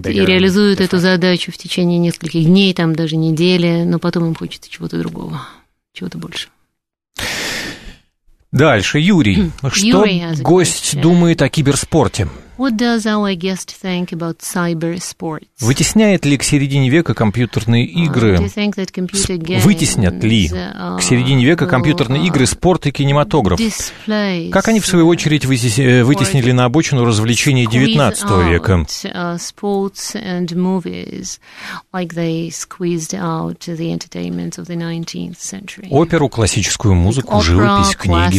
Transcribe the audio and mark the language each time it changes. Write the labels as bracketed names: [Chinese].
[Russian] Играют и реализуют эту задачу в течение нескольких дней, там даже недели, но потом им хочется чего-то другого, чего-то больше. Дальше, Юрий. Что гость думает о киберспорте? [English] What does our guest think about cyber sports? [Russian] Вытесняет ли к середине века компьютерные игры? Вытеснят ли к середине века компьютерные игры спорт и кинематограф? Как они, в свою очередь, вытеснили на обочину развлечения 19 века? [English] Sports and movies, like they squeezed out the entertainment of the 19th century. [Russian] Оперу, классическую музыку, живопись, книги.